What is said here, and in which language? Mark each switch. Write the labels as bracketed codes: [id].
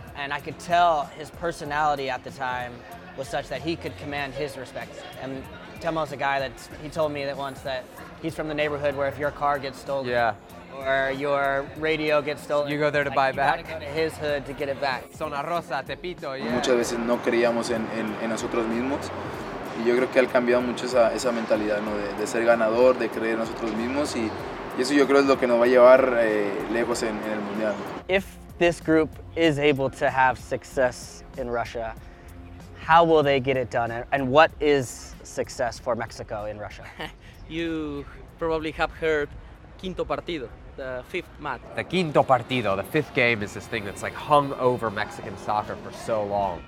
[en] And I could tell his personality at the time was such that he could command his respect. And Temo's a guy that he told me that once that he's from the neighborhood where if your car gets stolen, yeah, or your radio gets stolen, you go there to like buy it back. You gotta go to his hood to get it back. Zona Rosa, Tepito, yeah. [es] Muchas veces no creíamos en nosotros mismos. Y yo creo que él cambió mucho esa mentalidad, ¿no? De ser ganador, de creer en nosotros mismos. Y eso yo creo es lo que nos va a llevar lejos en el Mundial. [en] If this group is able to have success in Russia, how will they get it done? And what is success for Mexico in Russia? You probably have heard quinto partido, the fifth match. The quinto partido, the fifth game, is this thing that's like hung over Mexican soccer for so long.